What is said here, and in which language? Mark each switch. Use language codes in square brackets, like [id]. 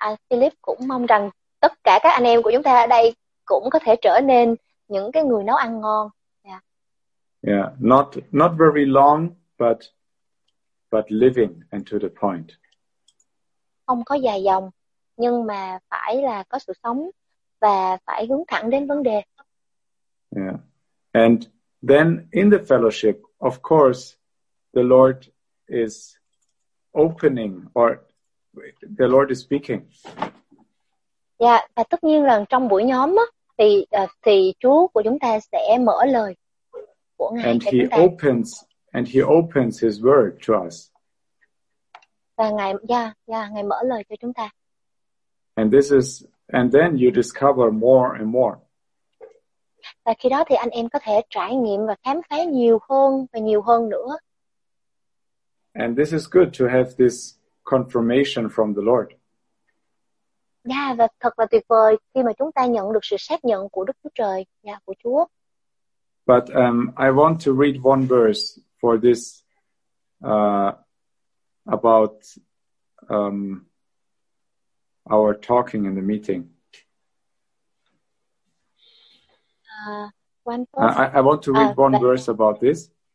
[vi] Philip cũng mong rằng tất cả các anh em của chúng ta ở đây cũng có thể trở nên những cái người nấu ăn ngon. [en] Not very long, but living and to the point. [vi] Không có dài dòng, nhưng mà phải là có sự sống và phải hướng thẳng đến vấn đề. Yeah. [en] And then in the fellowship, of course, the Lord is opening or the Lord is speaking. [vi] Yeah, và tất nhiên là trong buổi nhóm á, thì Chúa của chúng ta sẽ mở lời của Ngài [en] and [vi] cho [en] he [vi] chúng ta. [en] And he opens his word to us. [vi] Và Ngài, Ngài mở lời cho chúng ta. [en] And then you discover more and more. [vi] Và khi đó thì anh em có thể trải nghiệm và khám phá nhiều hơn và nhiều hơn nữa. [en] And this is good to have this confirmation from the Lord. [vi] Yeah, và thật là tuyệt vời khi mà chúng ta nhận được sự xác nhận của Đức Chúa Trời, của Chúa. [en] But I want to read one verse for this about our talking in the meeting. I want to read one verse about this.